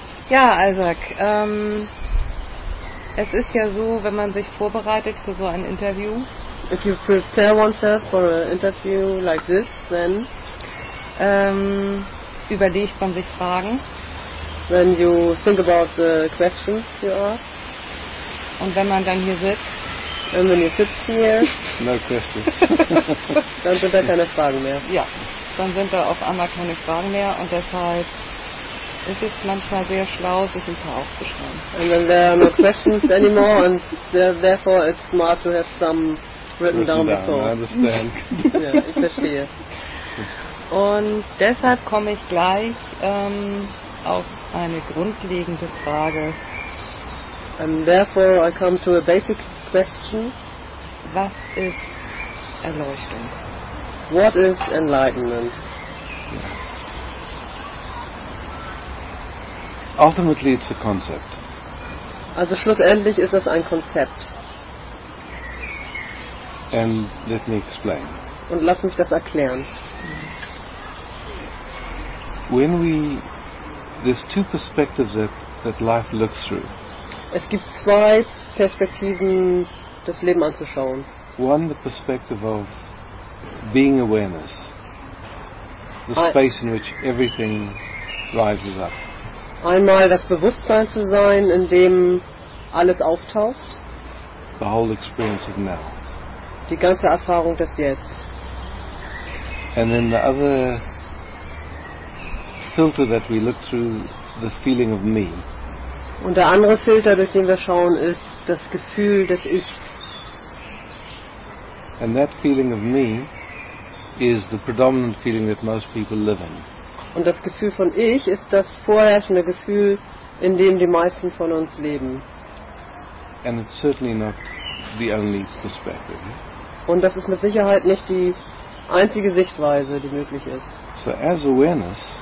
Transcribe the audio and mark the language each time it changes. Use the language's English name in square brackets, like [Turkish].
[German] Ja, Isaac, es ist ja so, wenn man sich vorbereitet für so ein Interview. [English] If you prepare oneself for an interview like this, then [German] überlegt man sich Fragen. [English] When you think about the questions you ask. [German] Und wenn man dann hier sitzt. [English] And when you sit here. No questions. [German] Dann sind da keine Fragen mehr. Ja, dann sind da auf einmal keine Fragen mehr und deshalb ist es manchmal sehr schlau, sich ein paar aufzuschreiben. [English] And then there are no questions anymore and therefore it's smart to have some written down before. I understand. [German] Ja, ich verstehe. Und deshalb komme ich gleich auf eine grundlegende Frage. [English] And therefore I come to a basic question. [German] Was ist Erleuchtung? [English] What is enlightenment? Ultimately it's a concept. [German] Also schlussendlich ist das ein Konzept. [English] And let me explain. [German] Und lass mich das erklären. [English] When we there's two perspectives that life looks through. [German] Es gibt zwei Perspektiven, das Leben anzuschauen. [English] One, the perspective of being awareness. The space in which everything rises up. [German] Einmal das Bewusstsein zu sein, in dem alles auftaucht. [English] The whole experience of now. [German] Die ganze Erfahrung des Jetzt. [English] And then the other filter that we look through, the feeling of me. [German] Und der andere Filter, durch den wir schauen, ist das Gefühl des Ich. [English] And that feeling of me is the predominant feeling that most people live in. [German] Und das Gefühl von Ich ist das vorherrschende Gefühl, in dem die meisten von uns leben. [English] And it's certainly not the only perspective. [German] Und das ist mit Sicherheit nicht die einzige Sichtweise, die möglich ist. [English] So as awareness,